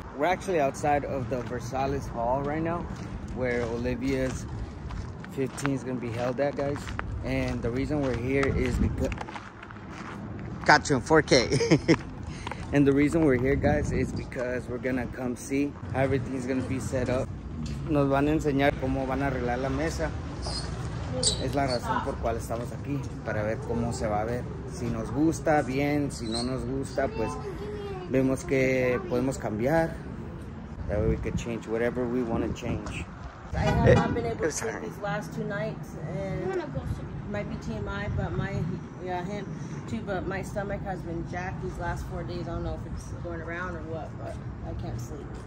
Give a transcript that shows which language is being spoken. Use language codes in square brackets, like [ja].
[en] We're actually outside of the Versailles Hall right now, where Olivia's 15 is going to be held at, guys. And the reason we're here is because... Got you in 4K. And the reason we're here, guys, is because we're going to come see how everything's going to be set up. [es] Nos van a enseñar cómo van a arreglar la mesa. Es la razón por cual estamos aquí, para ver cómo se va a ver. Si nos gusta, bien. Si no nos gusta, pues vemos que podemos cambiar. [en] That way we could change whatever we want to change. I have not been able to sleep these last two nights, and might be TMI, but my stomach has been jacked these last 4 days. I don't know if it's going around or what, but I can't sleep.